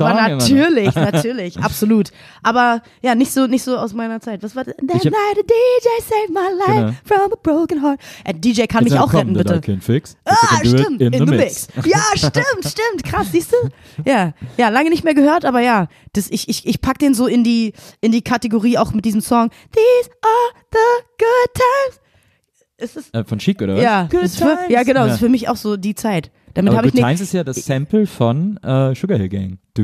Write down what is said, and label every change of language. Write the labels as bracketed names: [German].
[German] Aber natürlich, natürlich, absolut. Aber ja, nicht so aus meiner Zeit. Was war das? [English] That night a DJ saved my life from a broken heart. [German] A DJ kann mich auch retten, bitte. [English] I can fix. In the mix. [German] Ja, stimmt. Krass, siehst du? Ja, lange nicht mehr gehört, aber ja. Ich pack den so in die Kategorie auch mit diesem Song. [English] These are the good times. [German] Ist das von Chic, oder was? [English] Ja, good times. [German] Das ist für mich auch so die Zeit. Damit aber Good ich Times ist ja das Sample von Sugar Hill Gang.